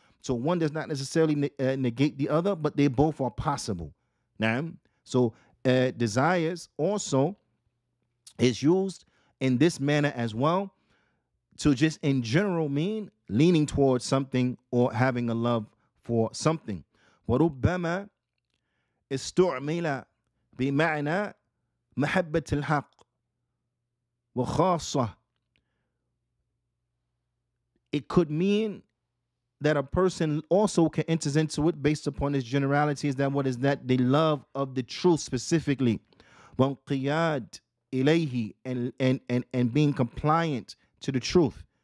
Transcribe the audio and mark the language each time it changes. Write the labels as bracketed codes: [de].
[en] So one does not necessarily negate the other, but they both are possible. Now, so desires also is used in this manner as well, to just in general mean leaning towards something or having a love for something. [ar] وربما استعمل بمعنى محبة الحق وخاصة. [en] It could mean that a person also can enter into it based upon its generality, is that what is that? The love of the truth specifically. [ar] وانقياد إليه, [en] and being compliant to the truth.